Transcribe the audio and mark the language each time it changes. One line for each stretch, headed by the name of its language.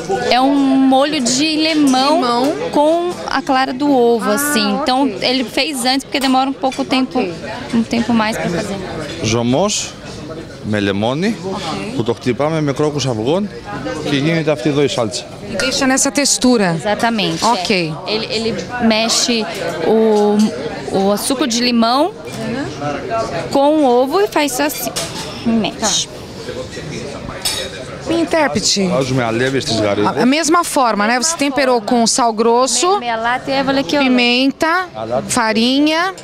Portuguese: É um molho de limão com a clara do ovo, ah, assim. Então, okay. Ele fez antes porque demora um pouco tempo, okay. Um tempo mais para fazer. Jomos.
Greek: Με λεμόνι, που το χτυπάμε με κρόκους αυγών και γίνεται αυτή εδώ η σάλτσα.
Portuguese: Deixa nessa textura. Exatamente. Ok. Ele mexe o suco de limão com o ovo e faz assim. Mexe. Me intérprete. A mesma forma, né? Você temperou com sal grosso, pimenta, farinha.